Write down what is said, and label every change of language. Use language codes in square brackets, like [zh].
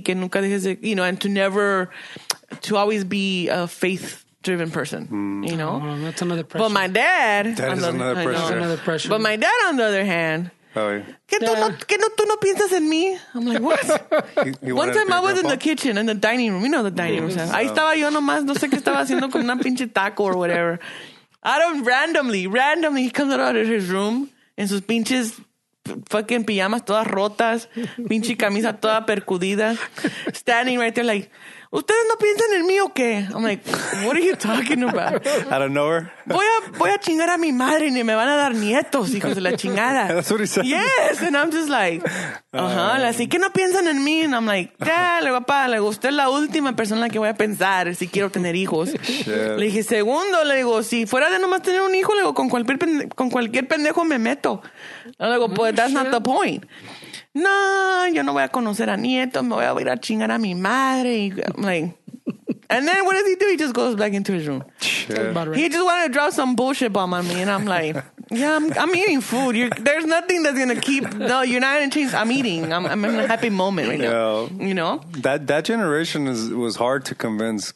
[en] Que nunca dejes, you know, and to never, to always be a faith driven person, you know. That's another pressure. But my dad, that is another pressure. But my dad, on the other hand, que tú no piensas en mí. I'm like, what? One time I was grandpa. In the kitchen, in the dining room. You know the dining room. [es] Ahí estaba yo nomás. No sé qué estaba haciendo con una pinche taco or whatever. [en] Randomly, he comes out of his room in sus pinches fucking pijamas, todas rotas, pinche camisa toda percudida, standing right there like. [es] ¿Ustedes no piensan en mí o qué? I'm like, what are you talking about? [en] Out of nowhere. [es] Voy a chingar a mi madre y me van a dar nietos, hijos de la chingada. [en] That's what he said. Yes, and I'm just like, así que no piensan en mí. [es] And I'm like, dale, papá, le digo, usted es la última persona en la que voy a pensar si quiero tener hijos. Shit. Le dije, segundo, le digo, si fuera de nomás tener un hijo, le digo, con cualquier pendejo me meto. Le digo, pues, that's not the point. No, yo no voy a conocer a nietos. Me voy a ir a chingar a mi madre. [en] I'm like, and then what does he do? He just goes back into his room. Shit. He just wanted to drop some bullshit bomb on me. And I'm like, yeah, I'm eating food. There's nothing that's going to keep. No, you're not going to change. I'm eating. I'm in a happy moment right now. You know? That generation was hard to convince.